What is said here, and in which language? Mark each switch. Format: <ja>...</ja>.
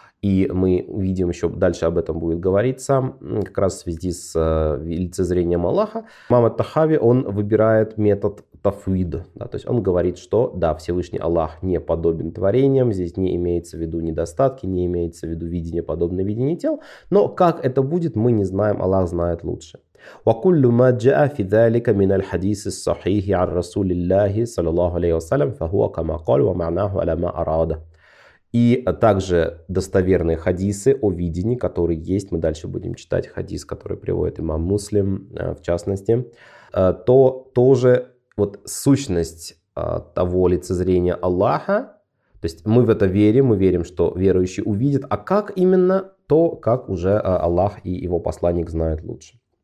<ru>И мы увидим еще дальше об этом будет говориться, как раз в связи с лицезрением Аллаха. Имам ат-Тахави, он выбирает метод тафвид, да, то есть он говорит, что да, Всевышний Аллах не подобен творениям, здесь не имеется в виду недостатки, не имеется в виду видение, подобное видение тел, но как это будет, мы не знаем, Аллах знает лучше.</ru> <ar>وكل ما جاء في ذلك من الحديث الصحيح عن رسول الله صلى الله عليه وسلم فهو كما قال ومعناه على ما أراد.</ar> <ru>И также достоверные хадисы о видении, которые есть, мы дальше будем читать хадис, который приводит имам Муслим, в частности, то тоже вот сущность того лицезрения Аллаха, то есть мы в это верим, мы верим, что верующий увидит, а как именно, то как уже Аллах и его посланник знают лучше.</ru>